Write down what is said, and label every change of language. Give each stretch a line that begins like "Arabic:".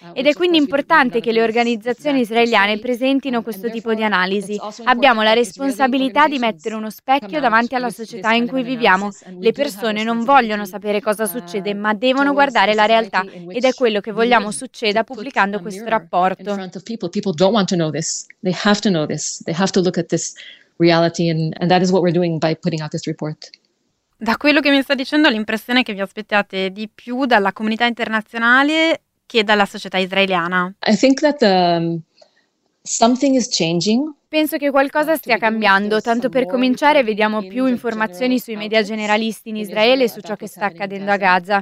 Italian: Ed è quindi importante che le organizzazioni israeliane presentino questo tipo di analisi. Abbiamo la responsabilità di mettere uno specchio davanti alla società in cui viviamo. Le persone non vogliono sapere cosa succede, ma devono guardare la realtà, ed è quello che vogliamo succeda pubblicando questo rapporto.
English: People don't want to know this. They have to know this. They have to look at this reality, and that is what we're doing by putting out this report.
Italian: Da quello che mi sta dicendo, l'impressione che vi aspettate di più dalla comunità internazionale che dalla società israeliana.
English: I think that something is changing.
Italian: Penso che qualcosa stia cambiando. Tanto per cominciare, vediamo più informazioni sui media generalisti in Israele su ciò che sta accadendo a Gaza.